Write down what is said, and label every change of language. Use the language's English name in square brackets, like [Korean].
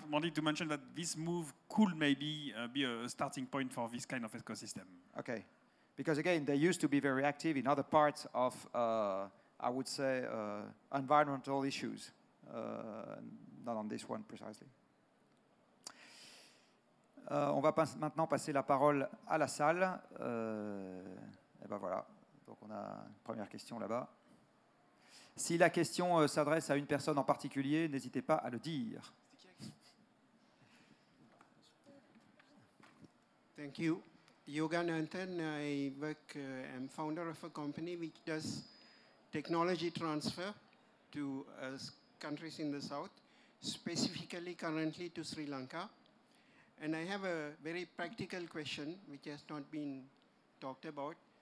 [English] Just wanted to mention that this move could maybe be a starting point for this kind of ecosystem. Okay. Because again, they used to be very active in other parts of I would say, environmental issues, not on this one precisely. [French] On va maintenant passer la parole à la salle. Et ben voilà, donc on a une première question là-bas. Si la question s'adresse à une personne en particulier, n'hésitez pas à le dire. [English] Thank you. Yoga Nathan, I work, I'm founder of a company which does technology transfer to countries in the south, specifically currently to Sri Lanka. And I have a very practical question which has not been talked about.